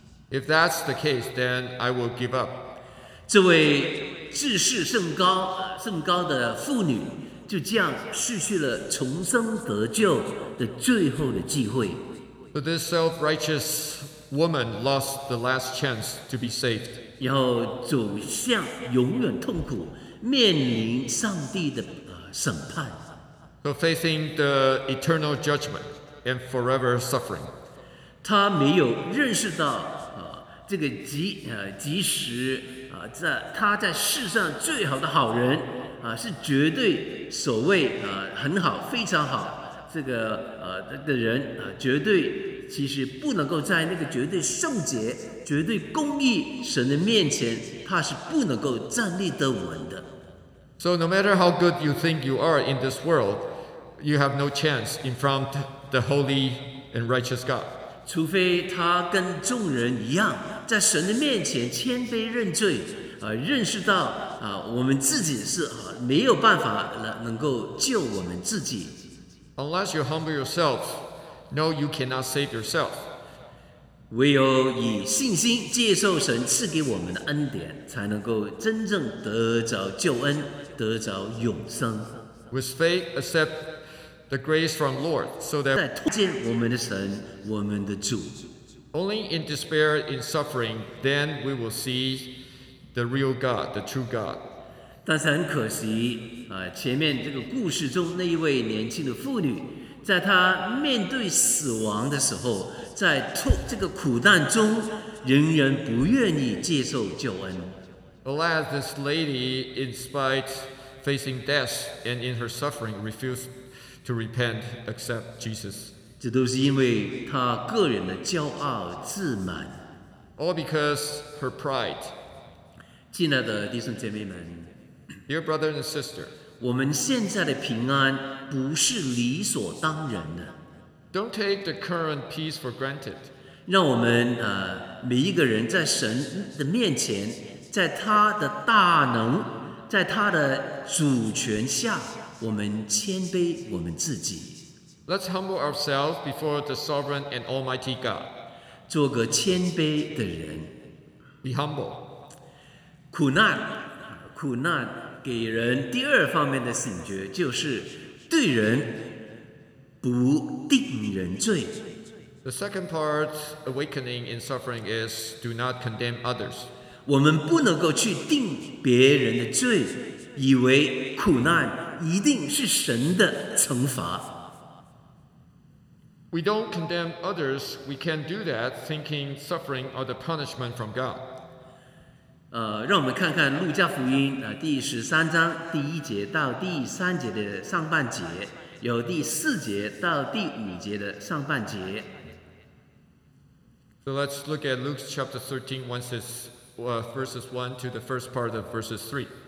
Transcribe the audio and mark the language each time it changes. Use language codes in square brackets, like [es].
[en] If that's the case, then I will give up. [zh] 这位志士甚高的妇女就这样失去了重生得救的最后的机会。 [en] So this self-righteous woman lost the last chance to be saved. [zh] 然后走向永远痛苦，面临上帝的审判。 [en] So facing the eternal judgment and forever suffering. [zh] 她没有认识到这个即使他在世上最好的好人是绝对所谓很好非常好这个的人绝对其实不能够在那个绝对圣洁绝对公义神的面前他是不能够站立得稳的。 [en] So no matter how good you think you are in this world, you have no chance in front of the holy and righteous God. [zh] 除非他跟众人一样在神的面前谦卑认罪认识到我们自己是没有办法能够救我们自己。 [en] Unless you humble yourself, no, you cannot save yourself. [zh] 唯有以信心接受神赐给我们的恩典才能够真正得着救恩得着永生。 [en] With faith, accept the grace from the Lord, so that [zh] 在痛见我们的神我们的主。 [en] Only in despair, in suffering, then we will see the real God, the true God. [zh] 但是很可惜，前面这个故事中那一位年轻的妇女，在她面对死亡的时候，在这个苦难中，仍然不愿意接受救恩。 [en] Alas, this lady, in spite facing death and in her suffering, refused to repent, accept Jesus. [zh] 这都是因为他个人的骄傲自满。 [en] All because her pride. [zh] 亲爱的弟兄姐妹们 [en] ，Dear brother and sister， [zh] 我们现在的平安不是理所当然的。 [en] Don't take the current peace for granted. [zh] 让我们每一个人在神的面前，在他的大能，在他的主权下，我们谦卑我们自己。 [en] Let's humble ourselves before the sovereign and almighty God. [zh] 做个谦卑的人。 [en] Be humble. [zh] 苦难给人第二方面的醒觉，就是对人不定人罪。 [en] The second part awakening in suffering is do not condemn others. [zh] 我们不能够去定别人的罪，以为苦难一定是神的惩罚。 [en] We don't condemn others. We can't do that, thinking suffering are the punishment from God. [zh] 让我们看看《路加福音》第十三章第一节到第三节的上半节，有第四节到第五节的上半节。 [en] So let's look at Luke chapter 13, verses 1 to the first part of verses 3.